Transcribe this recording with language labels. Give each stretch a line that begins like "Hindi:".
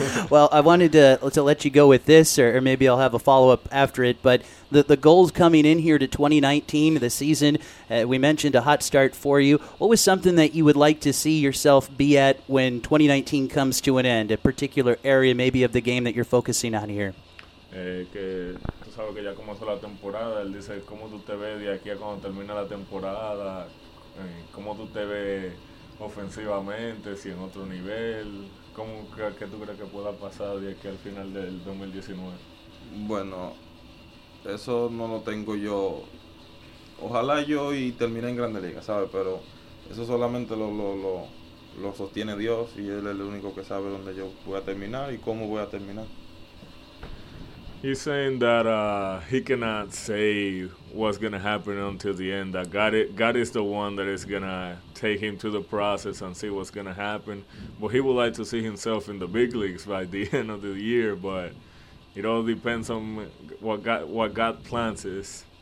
English: Well, I wanted to let you go with this, or maybe I'll have a follow-up after it, but the goals coming in here to 2019, the season, we mentioned a hot start for you. What was something that you would like to see yourself be at when 2019 comes to an end, a particular area maybe of the game that you're focusing on here?
Spanish: Tú sabes que ya comenzó la temporada. Él dice, ¿cómo tú te ves de aquí a cuando termina la temporada? ¿Cómo tú te ves ofensivamente, si en otro nivel? ¿Cómo que tú crees que pueda pasar de aquí al final del 2019? Bueno, eso no lo tengo yo. Ojalá yo y termine en Grandes Ligas, ¿sabes? Pero eso solamente lo sostiene Dios y Él es el único que sabe dónde yo voy a terminar y cómo voy a terminar.
English: He's saying that he cannot say what's going to happen until the end. That God is the one that is going to take him to the process and see what's going to happen. But he would like to see himself in the big leagues by the end of the year. But it all depends on what God plans is.